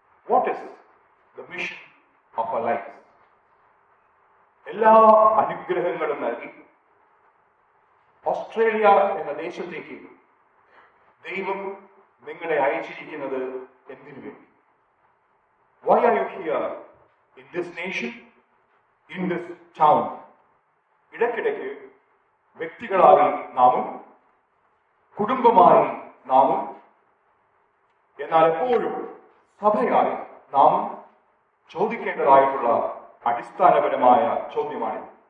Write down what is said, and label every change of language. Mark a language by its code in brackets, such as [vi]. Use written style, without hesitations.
[en] What is the mission of our life? [ml] എല്ലാ അനുഗ്രഹങ്ങളും നൽകി ഓസ്ട്രേലിയ എന്ന ദേശത്തേക്ക് ദൈവം നിങ്ങളെ അയച്ചിരിക്കുന്നത് എന്തിനു വേണ്ടി? [en] Why are you here in this nation, in this town? [ml] ഇടയ്ക്കിടയ്ക്ക് വ്യക്തികളായി നാമും കുടുംബമായി നാമും, എന്നാൽ എപ്പോഴും സഭയായി നാമും ചോദിക്കേണ്ടതായിട്ടുള്ള അടിസ്ഥാനപരമായ ചോദ്യമാണ്.